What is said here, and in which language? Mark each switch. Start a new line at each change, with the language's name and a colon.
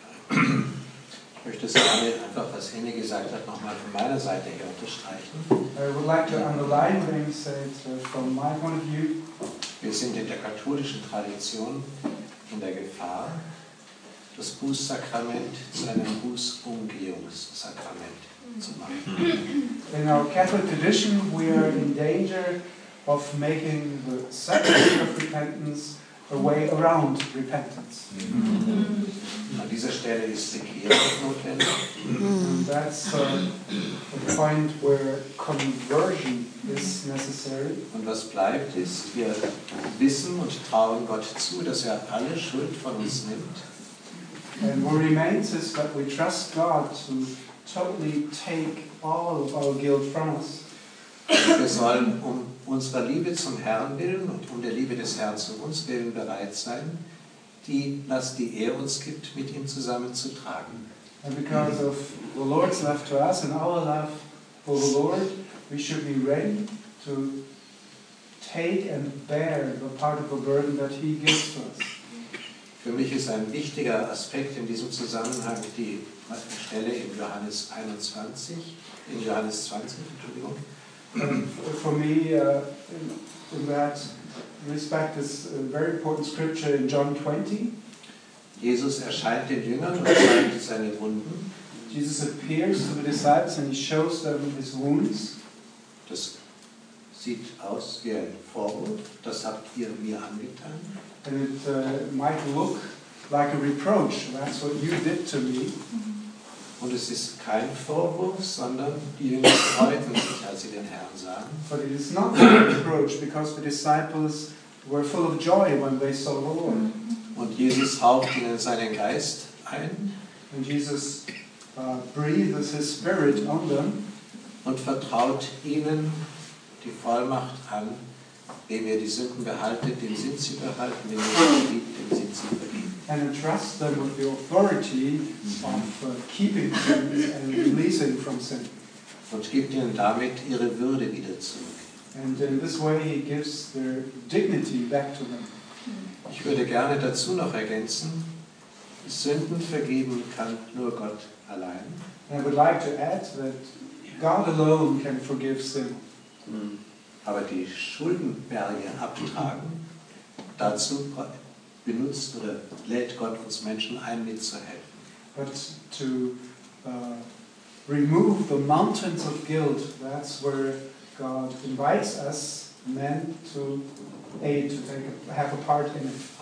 German: Ich möchte sagen, einfach was Henne gesagt hat, nochmal von meiner Seite her unterstreichen.
English: I would like to underline what he said from my point of view.
German: Wir sind in der katholischen Tradition in der Gefahr, das Bußsakrament zu einem Bußumgehungssakrament zu machen.
English: In our Catholic tradition, we are in danger of making the sacrament of repentance a way around repentance.
German: An dieser Stelle ist die Kehrung notwendig.
English: That's a point where conversion is necessary.
German: Und was bleibt ist, wir wissen und trauen Gott zu, dass er alle Schuld von uns nimmt.
English: And what remains is that we trust God to totally take all of our guilt from us.
German: Wir sollen um unserer Liebe zum Herrn willen und um der Liebe des Herrn zu uns willen bereit sein, die Last, die er uns gibt, mit ihm zusammen zu tragen.
English: And because of the Lord's love to us and our love for the Lord, we should be ready to take and bear the part of a burden that he gives to us.
German: Für mich ist ein wichtiger Aspekt in diesem Zusammenhang die Stelle in Johannes 21, in Johannes 20, Entschuldigung.
English: For me, in that respect, is a very important scripture in John 20.
German: Jesus erscheint den Jüngern und zeigt seine Wunden.
English: Jesus appears to the disciples and he shows them his wounds.
German: Das sieht aus wie ein Vorwurf, das habt ihr mir angetan.
English: And it might look like a reproach, that's what you did to me.
German: Und es ist kein Vorwurf, sondern die Jünger freuten sich, als sie den Herrn sahen.
English: But it is not a reproach, because the disciples were full of joy when they saw the Lord.
German: Und Jesus haucht ihnen seinen Geist ein.
English: And Jesus breathes his spirit on them.
German: Und vertraut ihnen die Vollmacht an, dem ihr die Sünden behaltet, dem sind sie behalten, dem ihr sie liebt, dem sind sie vergeben.
English: And entrust them with the authority of keeping sins and releasing from sin.
German: Und gibt ihnen damit ihre Würde wieder zurück.
English: And in this way he gives their dignity back to them.
German: Ich würde gerne dazu noch ergänzen, Sünden vergeben kann nur Gott allein.
English: And I would like to add that God alone can forgive sin.
German: Aber die Schuldenberge abtragen, dazu benutzt oder lädt Gott uns Menschen ein, mitzuhelfen.
English: But to remove the mountains of guilt, that's where God invites us men to aid, to take, have a part in it.